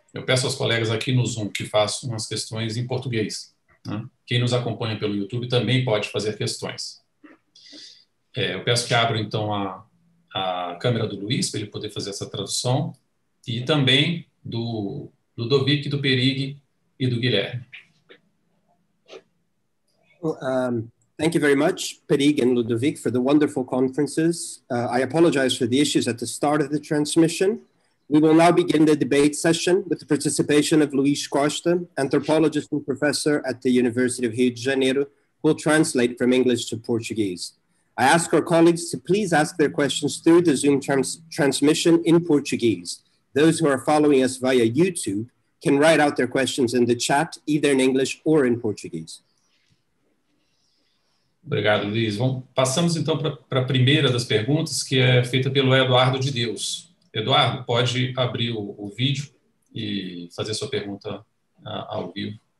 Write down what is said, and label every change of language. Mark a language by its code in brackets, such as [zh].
[pt] Eu peço aos colegas aqui no Zoom que façam as questões em português. Né? Quem nos acompanha pelo YouTube também pode fazer questões. Eu peço que abram, então, a câmera do Luiz, para ele poder fazer essa tradução, e também do Ludovic, do Perig, e do Guilherme. [en] Well, thank you very much, Perig and Ludovic, for the wonderful conferences. I apologize for the issues at the start of the transmission. We will now begin the debate session with the participation of Luiz Costa, anthropologist and professor at the University of Rio de Janeiro, who will translate from English to Portuguese. I ask our colleagues to please ask their questions through the Zoom transmission in Portuguese. Those who are following us via YouTube can write out their questions in the chat, either in English or in Portuguese. [pt] Obrigado, Luiz. Bom, passamos então para a primeira das perguntas, que é feita pelo Eduardo de Deus. Eduardo, pode abrir o vídeo e fazer sua pergunta ao vivo.